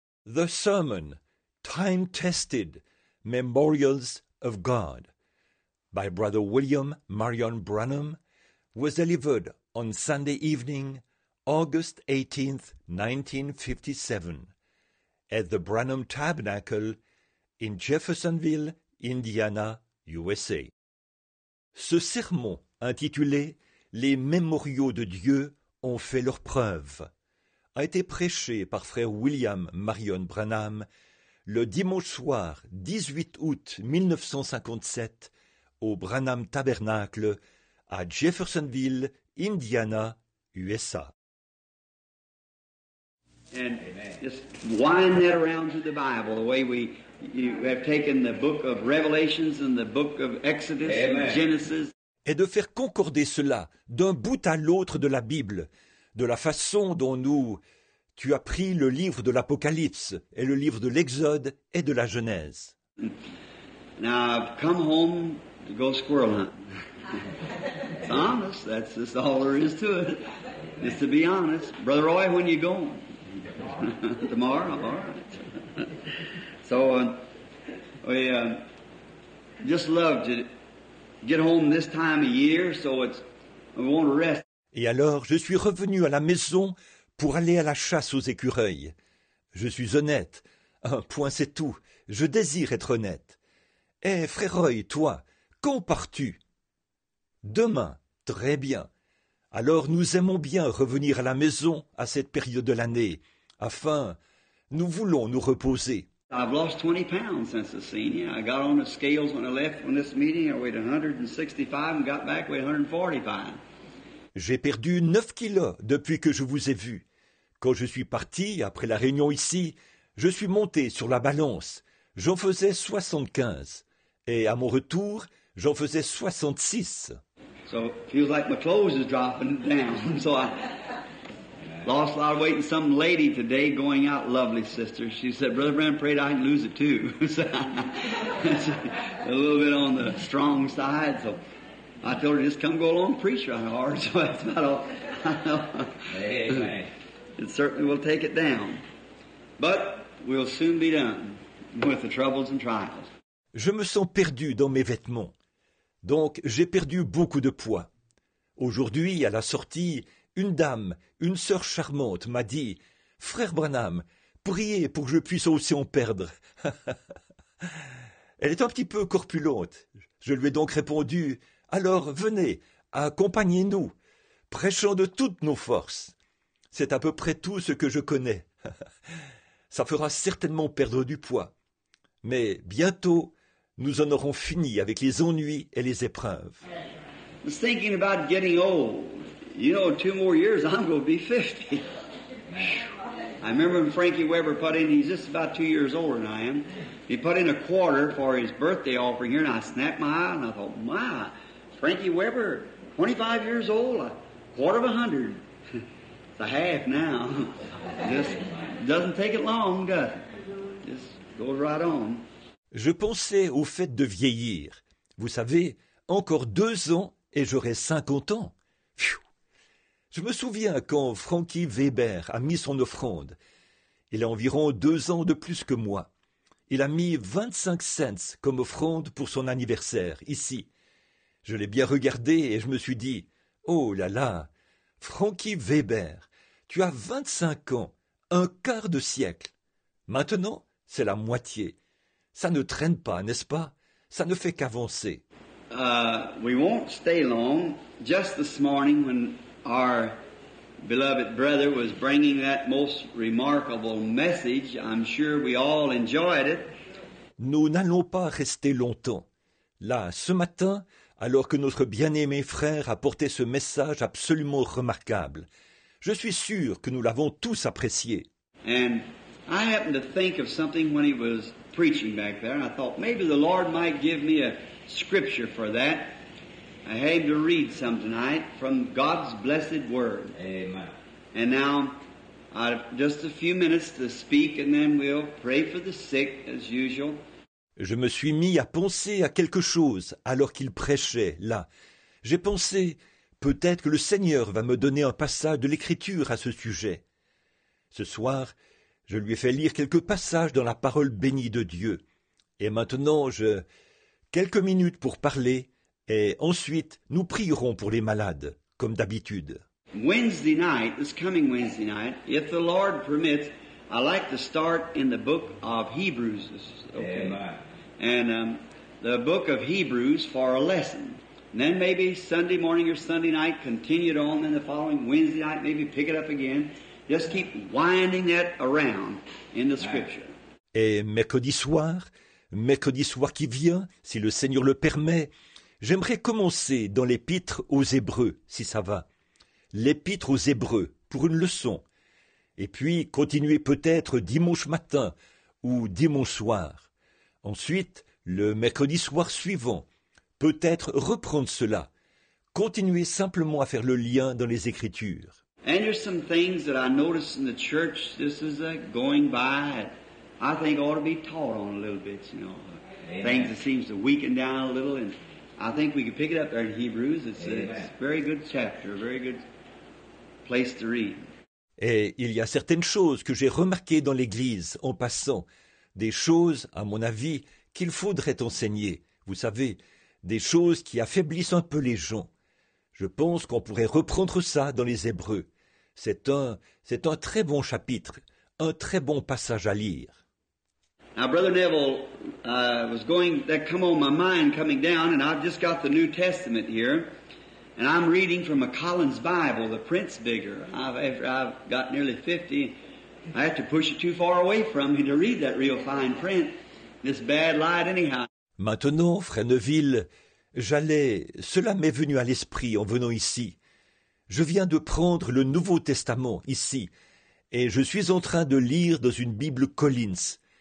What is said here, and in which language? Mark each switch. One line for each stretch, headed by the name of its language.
English: The Sermon, Time-Tested, Memorials of God, by Brother William Marion Branham, was delivered on Sunday evening, August 18, 1957, at the Branham Tabernacle in Jeffersonville, Indiana, USA.
French: Ce sermon intitulé « Les mémoriaux de Dieu ont fait leur preuve » a été prêché par frère William Marion Branham le dimanche soir 18 août 1957 au Branham Tabernacle à Jeffersonville, Indiana, USA.
English: And just wind that around to the Bible, the way we have taken the book of Revelations and the book of Exodus Amen. And Genesis.
French: Et de faire concorder cela d'un bout à l'autre de la Bible, de la façon dont tu as pris le livre de l'Apocalypse et le livre de l'Exode et de la Genèse.
English: Now I've come home to go squirrel hunting. Honest, that's just all there is to it. Just to be honest. Brother Roy, when you going? Tomorrow? All right. So we just love to get home this time of year, so it's we want to rest.
French: Et alors, je suis revenu à la maison pour aller à la chasse aux écureuils. Je suis honnête. Un point, c'est tout. Je désire être honnête. Hé, frère Roy, toi, quand pars-tu? Demain, très bien. Alors, nous aimons bien revenir à la maison à cette période de l'année, afin, nous voulons nous reposer.
English: I've lost 20 pounds since the senior. I got on the scales when I left on this meeting. I weighed 165 and got back weighed 145.
French: J'ai perdu 9 kilos depuis que je vous ai vu. Quand je suis parti, après la réunion ici, je suis monté sur la balance. J'en faisais 75. Et à mon retour, j'en faisais 66.
English: So, it feels like my clothes is dropping down. So, I lost a lot of weight and some lady today going out, lovely sister. She said, Brother Brown prayed I'd lose it too. So, a little bit on the strong side, so... I told her, just come go along and preach right hard, so that's about all. Amen. It certainly will take it down. But we'll soon be done with the troubles and trials.
French: Je me sens perdu dans mes vêtements. Donc, j'ai perdu beaucoup de poids. Aujourd'hui, à la sortie, une dame, une sœur charmante, m'a dit, « Frère Branham, priez pour que je puisse aussi en perdre. » Elle est un petit peu corpulente. Je lui ai donc répondu, « Alors, venez, accompagnez-nous, prêchons de toutes nos forces. C'est à peu près tout ce que je connais. Ça fera certainement perdre du poids. Mais bientôt, nous en aurons fini avec les ennuis et les épreuves.
English: I was thinking about getting old. You know, two more years, I'm going to be 50. I remember when Frankie Weber put in, he's just about 2 years older than I am. He put in a quarter for his birthday offering here, and I snapped my eye, and I thought, my... Frankie Weber, 25 years old, a quarter of a hundred. It's a half now. Just doesn't take it long, does it? Just goes right on.
French: Je pensais au fait de vieillir. Vous savez, encore 2 ans et j'aurai 50 ans. Pfiou. Je me souviens quand Frankie Weber a mis son offrande. Il a environ 2 ans de plus que moi. Il a mis 25 cents comme offrande pour son anniversaire, ici. Je l'ai bien regardé et je me suis dit, « Oh là là, Frankie Weber, tu as 25 ans, un quart de siècle. Maintenant, c'est la moitié. Ça ne traîne pas, n'est-ce pas? Ça ne fait qu'avancer.
English: We won't stay long. Just this morning, when our beloved brother was bringing that most remarkable message, I'm sure we all enjoyed it.
French: Nous n'allons pas rester longtemps. Là, ce matin... Alors que notre bien-aimé frère a porté ce message absolument remarquable, je suis sûr que nous l'avons tous apprécié.
English: And I happened to think of something when he was preaching back there, and I thought maybe the Lord might give me a scripture for that. I had to read some tonight from God's blessed word. Amen. And now I have just a few minutes to speak, and then we'll pray for the sick as usual.
French: Je me suis mis à penser à quelque chose alors qu'il prêchait, là. J'ai pensé, peut-être que le Seigneur va me donner un passage de l'Écriture à ce sujet. Ce soir, Je lui ai fait lire quelques passages dans la parole bénie de Dieu. Et maintenant, j'ai quelques minutes pour parler, et ensuite, nous prierons pour les malades, comme d'habitude.
English: Wednesday night, this coming Wednesday night, if the Lord permits, I like to start in the book of Hebrews. Okay. Amen. And the book of Hebrews for a lesson. And then maybe Sunday morning or Sunday night, continue it on. Then the following Wednesday night, maybe pick it up again. Just keep winding that around in the scripture.
French: Et mercredi soir qui vient, si le Seigneur le permet, j'aimerais commencer dans l'Épître aux Hébreux, si ça va. L'Épître aux Hébreux, pour une leçon. Et puis, continuer peut-être dimanche matin ou dimanche soir. Ensuite, le mercredi soir suivant, peut-être reprendre cela. Continuer simplement à faire le lien dans les Écritures.
English: And there's some things that I notice in the church, this is going by, I think ought to be taught on a little bit, you know. Amen. Things that seems to weaken down a little, and I think we could pick it up there in Hebrews. It's a very good chapter, a very good place to read.
French: Et il y a certaines choses que j'ai remarquées dans l'Église en passant, des choses, à mon avis, qu'il faudrait enseigner, vous savez, des choses qui affaiblissent un peu les gens. Je pense qu'on pourrait reprendre ça dans les Hébreux. C'est un très bon chapitre, un très bon passage à lire.
English: Now, Brother Neville, was going, that come on my mind coming down, and I've just got the New Testament here. And I'm reading from a Collins Bible, the print's bigger. I've got nearly 50. I have to push it too far away from me to read that real fine print. This bad light anyhow.
French: Maintenant, Frère Neville, cela m'est venu à l'esprit en venant ici. Je viens de prendre le Nouveau Testament ici, et je suis en train de lire dans une Bible Collins.